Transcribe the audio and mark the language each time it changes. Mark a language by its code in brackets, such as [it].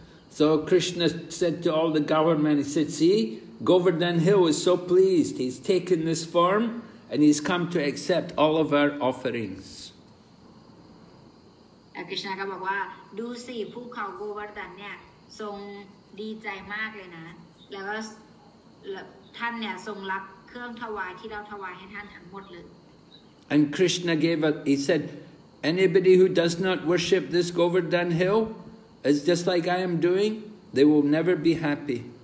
[en] So Krishna said to all the government, he said, see, Govardhan Hill is so pleased. He's taken this form and he's come to accept all of our offerings. [th] Krishna ก็บอกว่าดูสิภูเขาโกวาร์ดานเนี่ยทรงดีใจมากเลยนะแล้วก็ท่านเนี่ยทรงรับเครื่องถวายที่เราถวายให้ท่านทั้งหมดเลย [en] And Krishna gave it. He said, anybody who does not worship this Govardhan Hill is just like I am doing. They will never be happy.